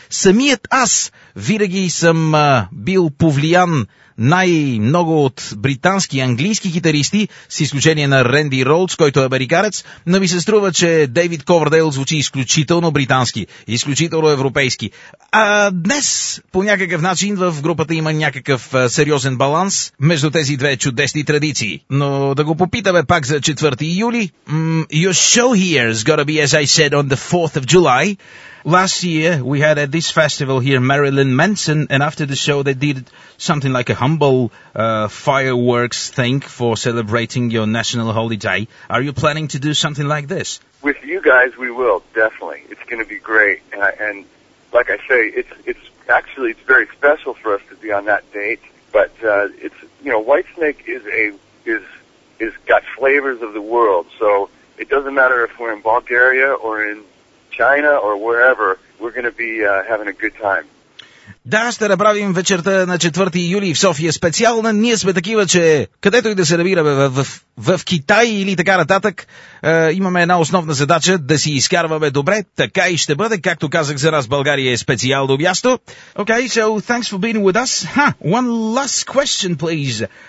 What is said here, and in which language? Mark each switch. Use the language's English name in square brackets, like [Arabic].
[Bulgarian] Самият аз винаги съм бил повлиян най-много от британски и английски китаристи, с изключение на Ренди Роудс, който е американец, но ми се струва, че Дейвид Ковърдейл звучи изключително британски, изключително европейски. А днес по някакъв начин в групата има някакъв сериозен баланс между тези две чудесни традиции. Но да го попитаме пак за 4 юли. [English] Your show here is gonna be, as I said, on the 4th of July. Last year, we had at this festival here Marilyn Manson, and after the show, they did something like a humble fireworks thing for celebrating your national holiday. Are you planning to do something like this? With you guys, we will, definitely. It's going to be great. And like I say, it's very special for us to be on that date. But it's, you know, Whitesnake is got flavors of the world. So it doesn't matter if we're in Bulgaria or in China or wherever, we're going to be having a good time. [Bulgarian] Да, ще направим вечерта на 4 юли в София специална. Ние сме такива, че където и да се намираме в Китай или така нататък, имаме една основна задача — да си изкарваме добре. Така и ще бъде. Както казах, за нас България е специално място. [English] Okay, so thanks for being with us. Huh, one last question, please.